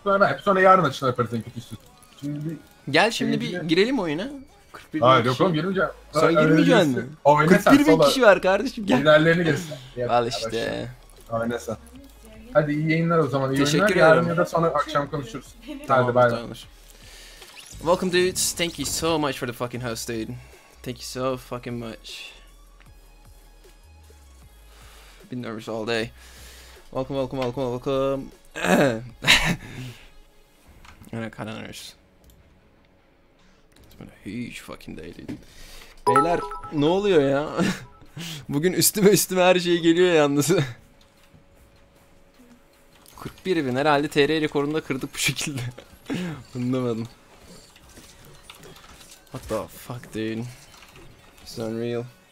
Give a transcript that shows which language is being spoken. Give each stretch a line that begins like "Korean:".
Turkish: Sonra hep sonra yarın açın yaparız en kötüsü. Gel şimdi bir girelim oyuna. Hayır yok oğlum girmeyeceğim. Sen girmeyeceksin mi? 41 bin kişi var kardeşim gel. İlerlerini gelsin. Al işte. Oyna sen. Hadi iyi yayınlar o zaman. Teşekkür ederim. Yarın ya da sonra akşam konuşuruz. Hadi bay bay.
English: Welcome dudes, thank you so much for the fucking host dude. Thank you so fucking much. Been nervous all day. Welcome, welcome, welcome, welcome. I'm kinda nervous. It's been a huge fucking day dude.
Turkish: Beyler, ne oluyor ya? Bugün üstüme her şey geliyor yalnız. 41 bin, herhalde TR rekorunu da kırdık bu şekilde. Anlamadım.
English: What the fuck dude? It's unreal.